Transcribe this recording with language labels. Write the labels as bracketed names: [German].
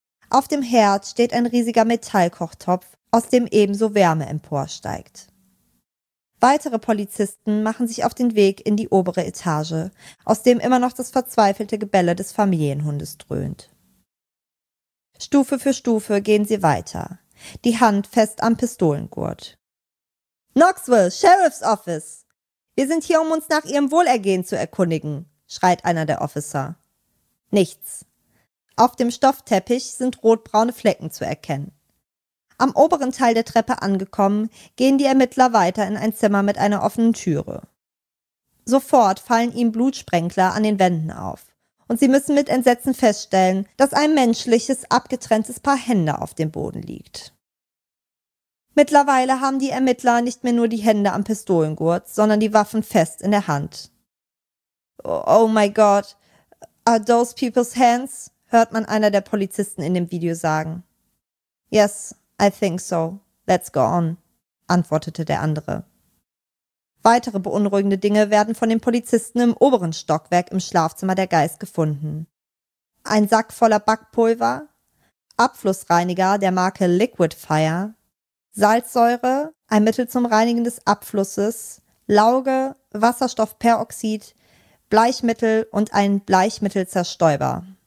[German] Auf dem Herd steht ein riesiger Metallkochtopf, aus dem ebenso Wärme emporsteigt. Weitere Polizisten machen sich auf den Weg in die obere Etage, aus dem immer noch das verzweifelte Gebelle des Familienhundes dröhnt. Stufe für Stufe gehen sie weiter, die Hand fest am Pistolengurt. "Knoxville, Sheriff's Office! Wir sind hier, um uns nach Ihrem Wohlergehen zu erkundigen", schreit einer der Officer. Nichts. Auf dem Stoffteppich sind rotbraune Flecken zu erkennen. Am oberen Teil der Treppe angekommen, gehen die Ermittler weiter in ein Zimmer mit einer offenen Türe. Sofort fallen ihm Blutsprenkler an den Wänden auf. Und sie müssen mit Entsetzen feststellen, dass ein menschliches, abgetrenntes Paar Hände auf dem Boden liegt. Mittlerweile haben die Ermittler nicht mehr nur die Hände am Pistolengurt, sondern die Waffen fest in der Hand. [English] Oh my God, are those people's hands? [German] Hört man einer der Polizisten in dem Video sagen. [English] Yes, I think so. Let's go on, [German] antwortete der andere. Weitere beunruhigende Dinge werden von den Polizisten im oberen Stockwerk im Schlafzimmer der Geist gefunden. Ein Sack voller Backpulver, Abflussreiniger der Marke Liquid Fire, Salzsäure, ein Mittel zum Reinigen des Abflusses, Lauge, Wasserstoffperoxid, Bleichmittel und ein Bleichmittelzerstäuber.